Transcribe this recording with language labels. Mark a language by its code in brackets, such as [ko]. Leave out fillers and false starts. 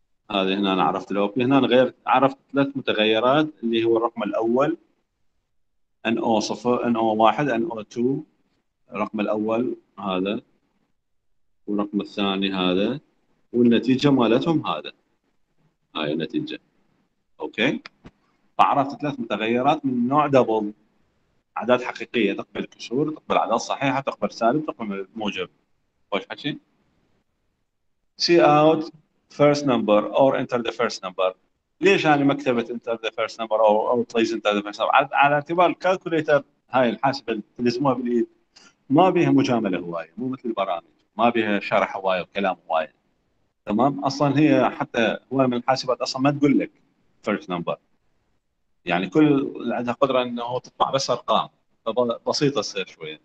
[ar] هذه هنا أنا عرفت الـ OP. هنا أنا غير عرفت ثلاث متغيرات اللي هو الرقم الأول NO0 NO1 NO2 الرقم الأول هذا والرقم الثاني هذا والنتيجة مالتهم هذا هاي النتيجة. أوكي فعرفت ثلاث متغيرات من نوع دبل أعداد حقيقية تقبل كسور تقبل أعداد صحيحة تقبل سالب تقبل موجب. وش حكي [en] see out first number or enter the first number. [ar] ليش أنا ما كتبت [en] enter the first number [ar] أو [en] please enter the first number؟ [ar] على اعتبار الكالكوليتر هاي الحاسبة اللي اسمها بالإيد ما بيها مجاملة هواية مو مثل البرامج ما بيها شرح هواية وكلام هواية. تمام أصلاً هي حتى هواية من الحاسبات أصلاً ما تقول لك first number يعني كل عندها قدرة أنه تطبع بس أرقام بسيطة تصير شوية.